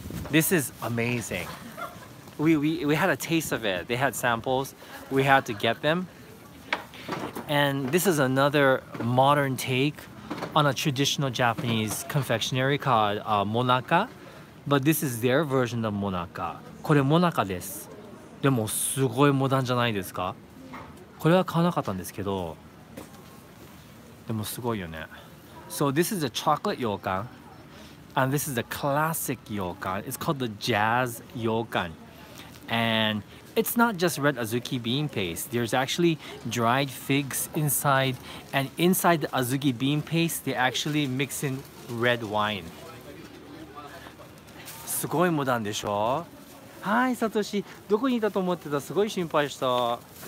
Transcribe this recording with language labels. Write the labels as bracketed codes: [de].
[en] This is amazing. We had a taste of it. They had samples. We had to get them. And this is another modern take on a traditional Japanese confectionery called monaka. But this is their version of monaka. [ja] これ monaka です。でもすごいモダンじゃないですか?これは買わなかったんですけど でもすごいよね。 [en] So this is a chocolate yōkan. And this is a classic yōkan. It's called the jazz yōkan. And it's not just red azuki bean paste. There's actually dried figs inside. And inside the azuki bean paste, they actually mix in red wine. [ja] すごいモダンでしょ? [en] Hi, Satoshi. [ja] どこにいたと思ってた?すごい心配した。